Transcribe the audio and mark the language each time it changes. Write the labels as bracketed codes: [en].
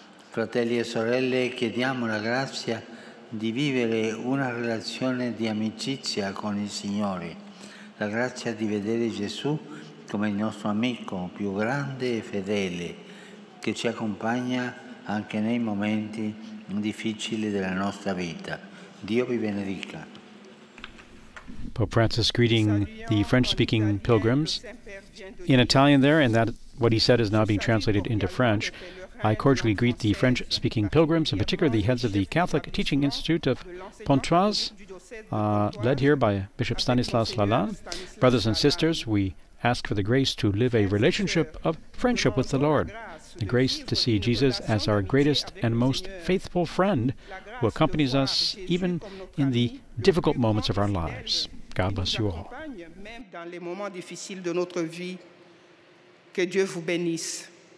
[it] Fratelli e sorelle, chiediamo la grazia di vivere una relazione di amicizia con il Signore, la grazia di vedere Gesù come il nostro amico più grande e fedele, che ci accompagna anche nei momenti difficile della nostra vita. Dio vi benedica. [en] Pope Francis greeting the French-speaking pilgrims in Italian there, and that what he said is now being translated into French. I cordially greet the French-speaking pilgrims, in particular the heads of the Catholic Teaching Institute of Pontoise, led here by Bishop Stanislas Lalanne. Brothers and sisters, we ask for the grace to live a relationship of friendship with the Lord, the grace to see Jesus as our greatest and most faithful friend who accompanies us even in the difficult moments of our lives. God bless you all. [fr] Dans les moments difficiles de notre vie, que Dieu vous bénisse.